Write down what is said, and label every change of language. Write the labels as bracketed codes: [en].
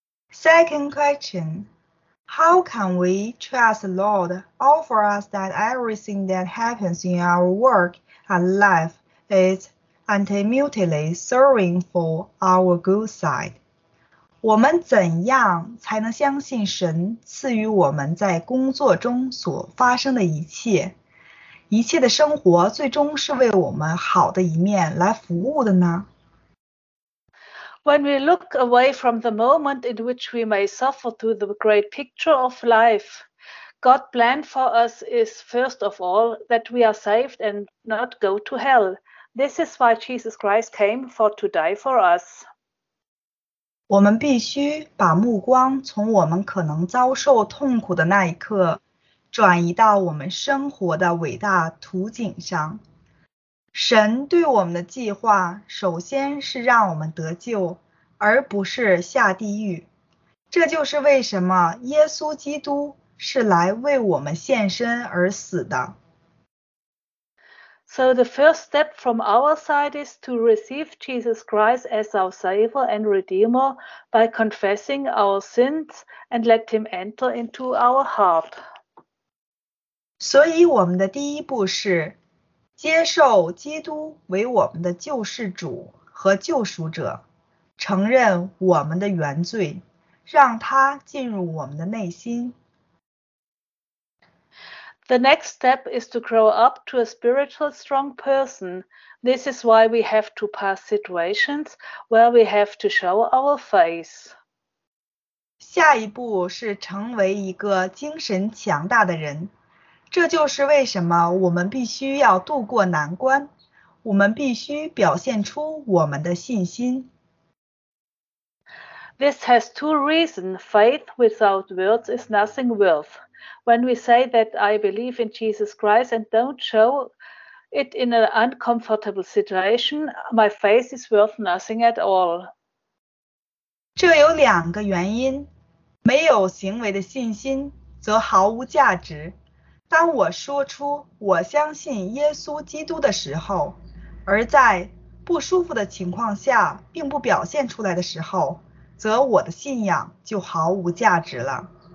[en] Second question, How can we trust the Lord all for us that everything that happens in our work and life is ultimately serving for our good side? [zh] 我们怎样才能相信神赐予我们在工作中所发生的一切，一切的生活最终是为我们好的一面来服务的呢？ [en] When we look away from the moment in which we may suffer to the great picture of life, God's plan for us is first of all that we are saved and not go to hell. This is why Jesus Christ came for to die for us. [zh] 我们必须把目光从我们可能遭受痛苦的那一刻转移到我们生活的伟大图景上。神对我们的计划首先是让我们得救，而不是下地狱。这就是为什么耶稣基督是来为我们献身而死的。 [en] So the first step from our side is to receive Jesus Christ as our Savior and Redeemer by confessing our sins and let him enter into our heart. [zh] 所以我们的第一步是接受基督为我们的救世主和救赎者，承认我们的原罪，让他进入我们的内心。 [en] The next step is to grow up to a spiritual strong person. This is why we have to pass situations where we have to show our faith. [zh] 下一步是成为一个精神强大的人。这就是为什么我们必须要度过难关，我们必须表现出我们的信心。 [en] This has two reasons. Faith without words is nothing worth. When we say that I believe in Jesus Christ and don't show it in an uncomfortable situation, my faith is worth nothing at all. [zh] 这有两个原因，没有行为的信心则毫无价值。当我说出我相信耶稣基督的时候，而在不舒服的情况下并不表现出来的时候，则我的信仰就毫无价值了。